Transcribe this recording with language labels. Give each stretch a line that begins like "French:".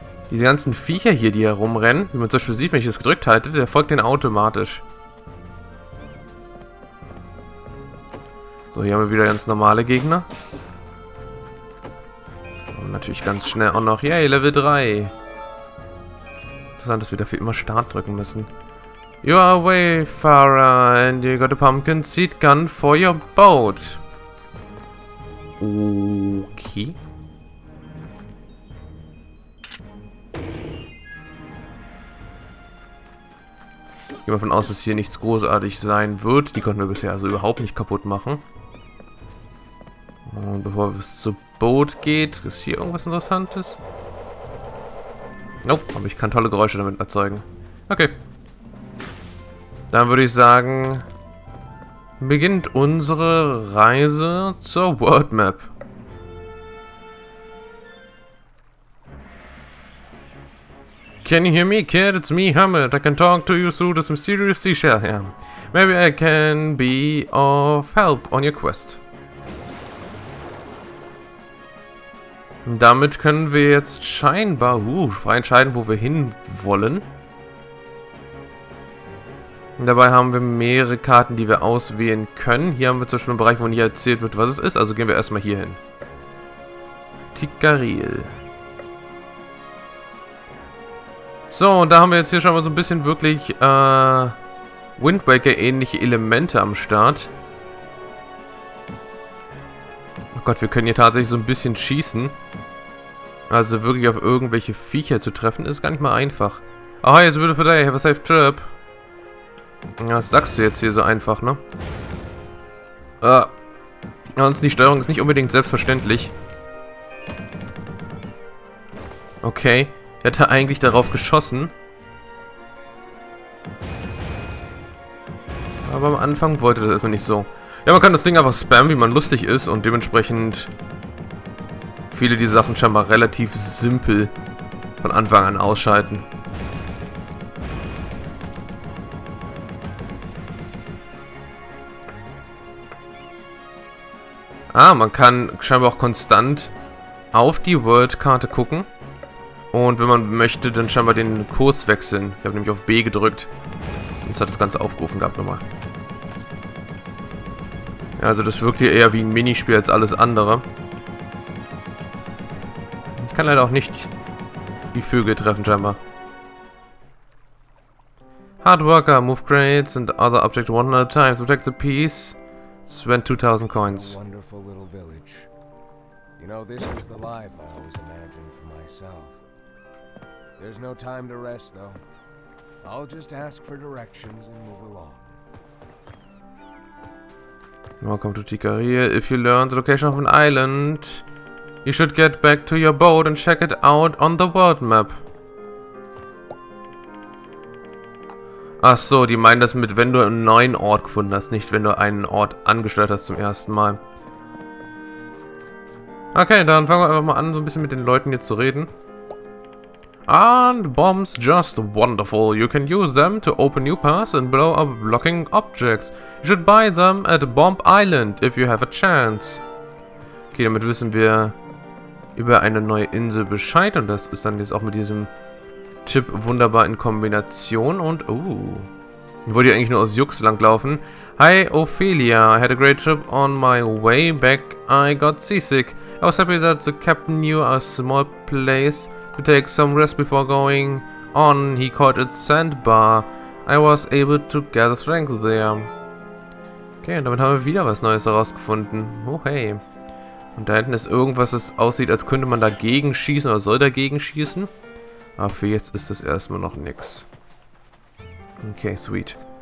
German: Diese ganzen Viecher hier, die herumrennen, wie man zum Beispiel sieht, wenn ich das gedrückt halte, der folgt denen automatisch. So, hier haben wir wieder ganz normale Gegner. Und natürlich ganz schnell auch noch, yay, Level 3. Interessant, dass wir dafür immer Start drücken müssen.
English: You are a wayfarer and you got a pumpkin seed gun for your boat. Okay.
German: Ich gehe davon aus, dass hier nichts großartig sein wird. Die konnten wir bisher also überhaupt nicht kaputt machen. Und bevor es zum Boot geht, ist hier irgendwas Interessantes? Nope, aber ich kann tolle Geräusche damit erzeugen. Okay. Dann würde ich sagen, beginnt unsere Reise zur World Map.
English: Can you hear me, kid? It's me, Hammett. I can talk to you through this mysterious seashell here. Maybe I can be of help on your quest.
German: Damit können wir jetzt scheinbar frei entscheiden, wo wir hin wollen. Dabei haben wir mehrere Karten, die wir auswählen können. Hier haben wir zum Beispiel einen Bereich, wo nicht erzählt wird, was es ist. Also gehen wir erstmal hier hin. Chikaril. So, und da haben wir jetzt hier schon mal so ein bisschen wirklich Wind Waker-ähnliche Elemente am Start. Oh Gott, wir können hier tatsächlich so ein bisschen schießen. Also wirklich auf irgendwelche Viecher zu treffen, ist gar nicht mal einfach.
English: Oh, it's a beautiful day, have a safe trip.
German: Was sagst du jetzt hier so einfach, ne? Ansonsten, die Steuerung ist nicht unbedingt selbstverständlich. Okay. Hätte eigentlich darauf geschossen. Aber am Anfang wollte das erstmal nicht so. Ja, man kann das Ding einfach spammen, wie man lustig ist. Und dementsprechend viele dieser Sachen scheinbar relativ simpel von Anfang an ausschalten. Ah, man kann scheinbar auch konstant auf die World-Karte gucken. Und wenn man möchte, dann scheinbar den Kurs wechseln. Ich habe nämlich auf B gedrückt. Und es hat das Ganze aufgerufen gehabt nochmal. Ja, also das wirkt hier eher wie ein Minispiel als alles andere. Ich kann leider auch nicht die Vögel treffen scheinbar.
English: Hard worker, move crates and other objects 100 times, protect the peace, spend 2000 coins. A wonderful little village. You know, this was the life I always imagined for myself. There's no time to rest though. I'll just ask for directions and move along. Welcome to Tikaria. If you learn the location of an island, you should get back to your boat and check it out on the world map.
German: Ach so, die meinen das mit, wenn du einen neuen Ort gefunden hast, nicht wenn du einen Ort angesteuert hast zum ersten Mal. Okay, dann fangen wir einfach mal an, so ein bisschen mit den Leuten hier zu reden.
English: And bombs just wonderful. You can use them to open new paths and blow up blocking objects. You should buy them at Bomb Island if you have a chance.
German: Okay, damit wissen wir über eine neue Insel Bescheid und das ist dann jetzt auch mit diesem Tipp wunderbar in Kombination und wollte ich eigentlich nur aus Jux langlaufen.
English: Hi Ophelia, I had a great trip on my way back. I got seasick. I was happy that the captain knew a small place to take some rest before going on. He called it Sandbar. I was able to gather strength there.
German: Okay, und damit haben wir wieder was Neues herausgefunden. Oh hey. Und da hinten ist irgendwas, das aussieht, als könnte man dagegen schießen oder soll dagegen schießen. Aber für jetzt ist das erstmal noch nix. Okay, sweet.